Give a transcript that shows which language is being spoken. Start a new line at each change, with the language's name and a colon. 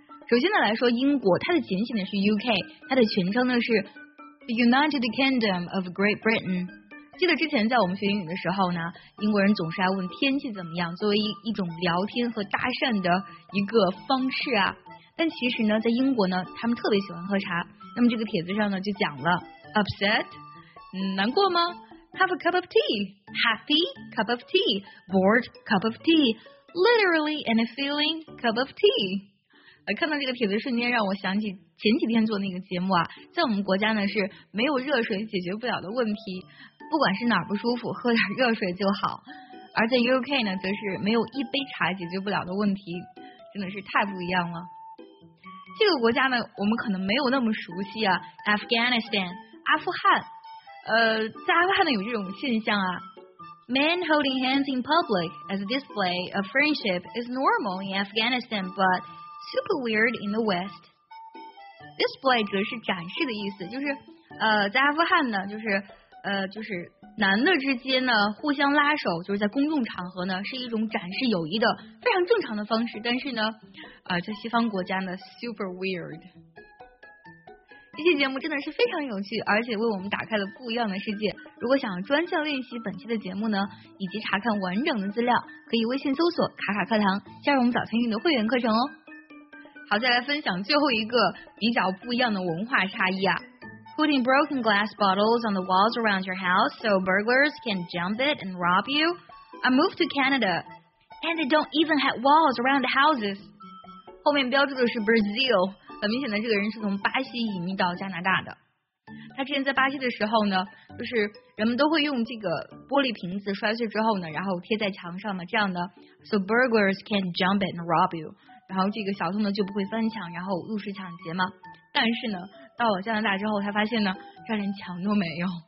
Chinese: 首先呢来说英国，它的简写呢是 UK， 它的全称呢是
English: The United Kingdom of Great Britain。
Chinese: 记得之前在我们学英语的时候呢，英国人总是爱问天气怎么样，作为 一种聊天和搭讪的一个方式啊。但其实呢在英国呢他们特别喜欢喝茶，那么这个帖子上呢就讲了
English: Upset，
Chinese: 难过吗？
English: Have a cup of tea， Happy cup of tea， Bored cup of tea， Literally and feeling cup of tea。
Chinese: 看到这个帖子瞬间让我想起前几天做那个节目啊，在我们国家呢是没有热水解决不了的问题，不管是哪儿不舒服喝点热水就好，而在 UK 呢则是没有一杯茶解决不了的问题，真的是太不一样了。这个国家呢我们可能没有那么熟悉啊， Afghanistan， 阿富汗，在阿富汗呢有这种现象啊，
English: Men holding hands in public as a display of friendship is normal in Afghanistan butSuper weird in the West.
Chinese: Display 则是展示的意思，就是在阿富汗呢，就是男的之间呢互相拉手，就是在公众场合呢是一种展示友谊的非常正常的方式。但是呢，在西方国家呢 ，
English: super weird。
Chinese: 这期节目真的是非常有趣，而且为我们打开了不一样的世界。如果想专项练习本期的节目呢，以及查看完整的资料，可以微信搜索“卡卡课堂”，加入我们早餐运动会员课程哦。好，再来分享最后一个比较不一样的文化差异啊。
English: Putting broken glass bottles on the walls around your house so burglars can jump it and rob you. I moved to Canada and they don't even have walls around the houses.
Chinese: 后面标注的是 Brazil， 很明显的这个人是从巴西移民到加拿大的。他之前在巴西的时候呢，就是人们都会用这个玻璃瓶子摔碎之后呢，然后贴在墙上嘛，这样的
English: so burglars can jump it and rob you。
Chinese: 然后这个小偷呢就不会翻墙然后入室抢劫嘛。但是呢到了加拿大之后，他发现呢这连墙都没有。